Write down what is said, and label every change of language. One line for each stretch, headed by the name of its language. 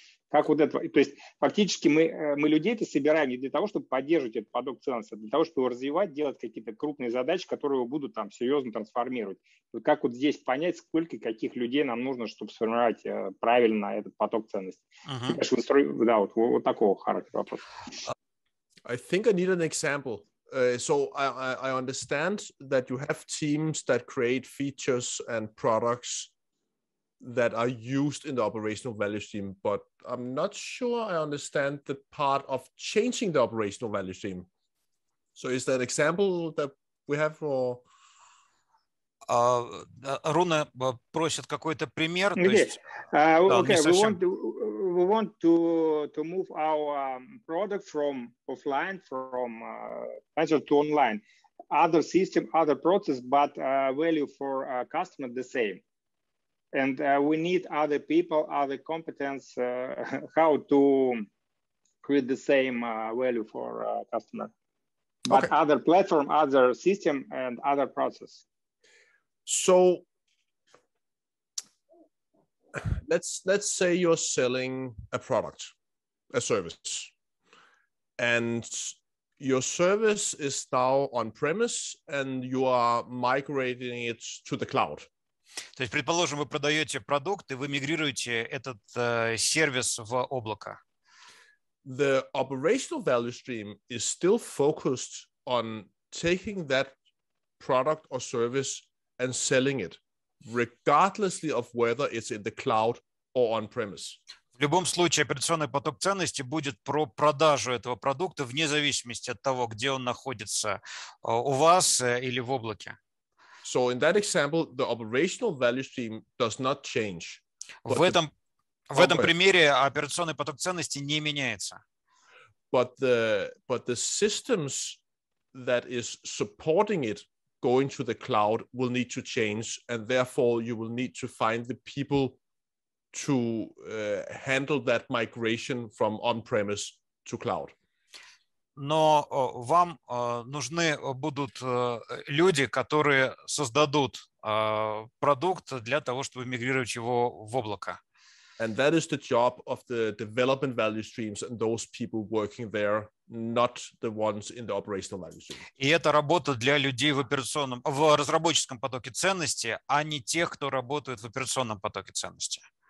Russian: Как вот это, то есть фактически мы людей-то собираем не для того, чтобы поддерживать этот поток ценностей, а для того, чтобы его развивать, делать какие-то крупные задачи, которые будут там серьезно трансформировать. Как вот здесь понять, сколько и каких людей нам нужно, чтобы сформировать правильно этот поток ценностей? Uh-huh. Вот такого характера вопрос.
English: I think I need an example. So I understand that you have teams that create features and products that are used in the operational value stream, but I'm not sure I understand the part of changing the operational value stream. So is that example that we have for...
Russian: Руна просит какой-то пример.
English: Okay. We want to move our product from offline, from manager to online. Other system, other process, but value for customer the same. And we need other people, other competence, how to create the same value for customer. But okay. Other platform, other system, and other process. So let's say you're selling a product, a service, and your service is now on-premise and you are migrating it to the cloud.
Russian: То есть, предположим, вы продаете продукт, и вы мигрируете этот сервис в облако.
English: The operational value stream is still focused on taking that product or service and selling it, regardless of whether it's in the cloud or on-premise.
Russian: В любом случае, операционный поток ценности будет про продажу этого продукта, вне зависимости от того, где он находится, у вас или в облаке.
English: So in that example, the operational value stream does not change.
Russian: В этом примере операционный поток ценности не меняется.
English: But the systems that is supporting it going to the cloud will need to change, and therefore you will need to find the people to handle that migration from on-premise to cloud.
Russian: Но вам нужны будут люди, которые создадут продукт для того, чтобы мигрировать его в облако.
English: And that is the job of the development value streams and those people working there, not the ones in the operational value stream.
Russian: И это работа для людей в операционном, в разработческом потоке ценности, а не тех, кто работает в операционном потоке ценности.